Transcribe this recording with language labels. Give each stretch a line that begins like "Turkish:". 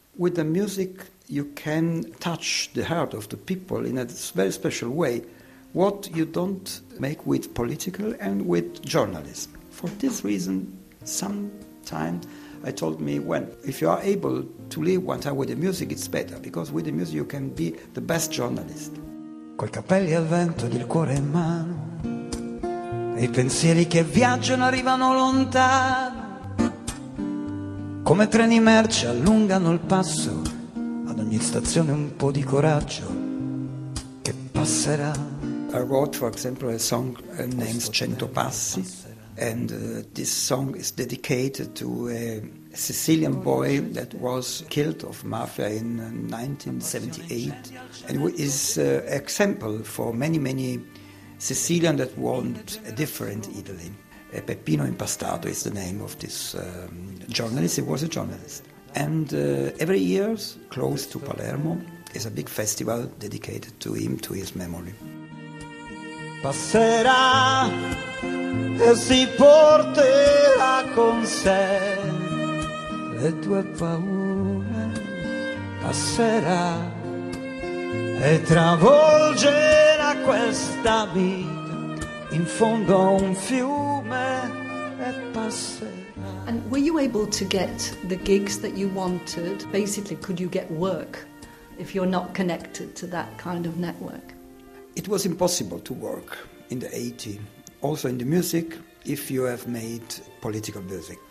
English: With the music, you can touch the heart of the people in a very special way, what you don't make with political and with journalism. For this reason, sometime I told me, if you are able to live one time with the music, it's better, because with the music you can be the best journalist.
Italian: Coi capelli al vento ed il cuore in mano, i pensieri che viaggiano arrivano lontano, come treni merci allungano il passo, ad ogni stazione un po' di coraggio che passerà.
English: I wrote, for example, a song named Cento Passi, and this song is dedicated to a Sicilian boy that was killed of mafia in 1978, and is example for many, many Sicilians that want a different Italy. Peppino Impastato is the name of this journalist. He was a journalist. And every year, close to Palermo, is a big festival dedicated to him, to his memory.
Italian: Passerà e si porterà con sé le tue paure, passerà e travolgerà questa vita in fondo a un fiume e passerà.
English: And were you able to get the gigs that you wanted? Basically, could you get work if you're not connected to that kind of network? It was impossible to work in the 80s, also in the music, if you have made political music.